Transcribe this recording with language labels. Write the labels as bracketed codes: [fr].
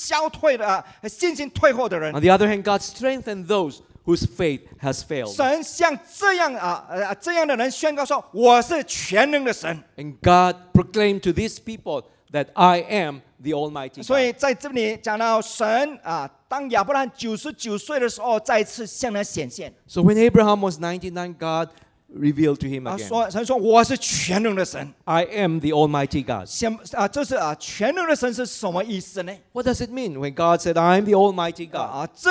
[zh] 神要坚固那些信心消退的，信心退后的人。 [en] On the other hand, God strengthened those whose faith has failed. [zh] 神向这样的人宣告说，我是全能的神。 [en] And God proclaimed to these people that I am the Almighty God. [zh] 所以在这里讲到神啊。当亚伯兰99岁的时候，再次向他显现。 [en] So when Abraham was 99, God revealed to him again. [zh] 神说我是全能的神。 [en] I am the Almighty God. [zh] 这是全能的神是什么意思呢？ [en] What does it mean when God said, I am the Almighty God?